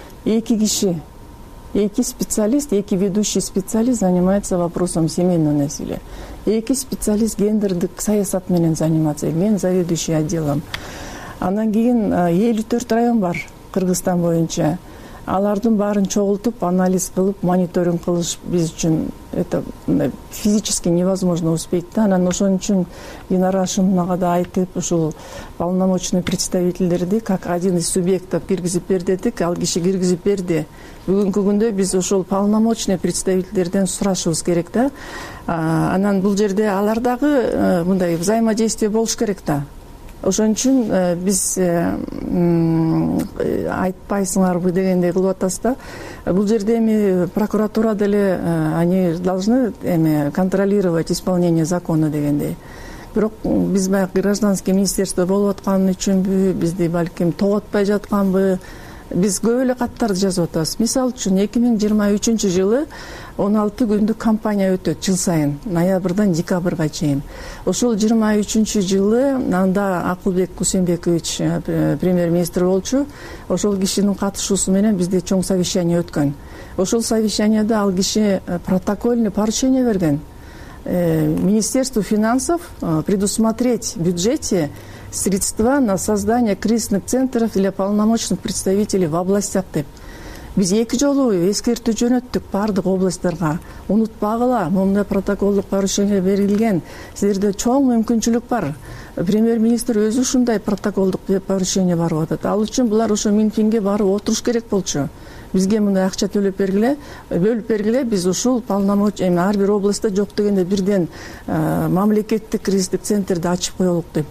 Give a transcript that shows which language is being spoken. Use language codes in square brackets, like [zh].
[ru] 2 киши, 2 специалист, 2 ведущий специалист занимается вопросом семейного насилия, 2 специалист [ky] гендердик саясат менен [ru] заниматься, мен заведующий отделом. [ky] Анан кийин 54 район бар Кыргызстан боюнча. алардын баарын чогултуп, анализ кылып, мониторинг кылыш биз үчүн [ru] это физически невозможно успеть. [ky] Анан ошон үчүн Динара Шымнага да айтып, ушул полномочный представительдерди [ru] как один из субъектов [ky] киргизип бер дедик, ал киши киргизип берди. Бүгүнкү күндө биз ошол полномочный представительдерден сурашыбыз керек да. Анан бул жерде алар дагы мындай взаимодействие болуш керек да. Ошон үчүн биз айтпайсыңарбы дегендей кылып атасыз да. Бул жерде эми прокуратура деле [ru] они должны [ky] эми [ru] контролировать исполнение закона [ky] дегендей. Бирок биз баягы гражданский министерство болуп аткан үчүнбү, бизди балким тоготпай жатканбы? Биз көп эле каттарды жазып атабыз. Мисалы үчүн 2023 жылы 16 күндүк кампания өтөт жыл сайын, ноябрдан декабрга чейин. Ошол 23 жылы анда Акылбек Кусенбекович премьер-министр болчу. Ошол кишинин катышуусу менен бизде чоң совещание өткөн. Ошол совещанияда ал киши протокольный поручение берген. [ru] Министерству финансов предусмотреть в бюджете средства на создание кризисных центров для полномочных представителей в областях [ky] деп. Биз эки жолу эскертүү жөнөттүк бардык областтарга. Унутпагыла, мындай протоколдук порушение берилген. Силерде чоң мүмкүнчүлүк бар. Премьер-министр өзү ушундай протоколдук порушение барып атат. Ал үчүн булар ошо Минфинге барып отуруш керек болчу. Бизге мындай акча төлөп бергиле, бөлүп бергиле, биз ушул полномочия эми ар бир областта жок дегенде бирден мамлекеттик кризистик центрди ачып коелук деп.